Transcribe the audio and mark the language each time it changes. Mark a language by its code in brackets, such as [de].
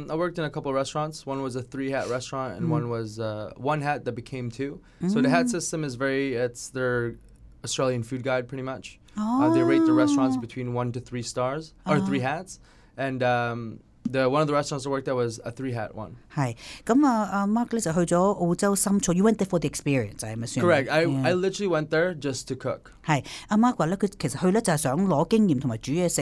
[en] I worked in a couple of restaurants. One was a three-hat restaurant, and one was one hat that became two. So the hat system is it's their Australian food guide, pretty much. They rate the restaurants between 1 to 3 stars, or three hats. And one of the restaurants I worked at was a three-hat one. [yue] 係，咁啊，Mark 咧就去咗澳洲深造。 [en] You went there for the experience, I'm assuming. Correct. I literally went there just to cook. [yue] 係，阿 Mark 話咧，佢其實去咧就係想攞經驗同埋煮嘢食。